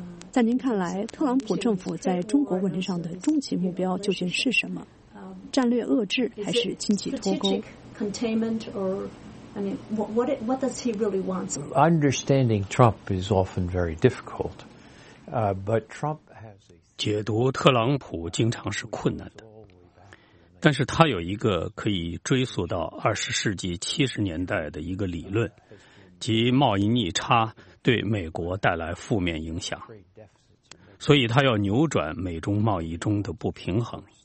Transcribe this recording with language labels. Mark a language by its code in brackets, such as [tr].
[zh] 在您看来，特朗普政府在中国问题上的终极目标究竟是什么？战略遏制还是经济脱钩？ [en] What does he really want? Understanding Trump is often very difficult, but Trump has a [zh] 解读特朗普经常是困难的，但是他有一个可以追溯到20世纪70年代的一个理论，即贸易逆差对美国带来负面影响，所以他要扭转美中贸易中的不平衡。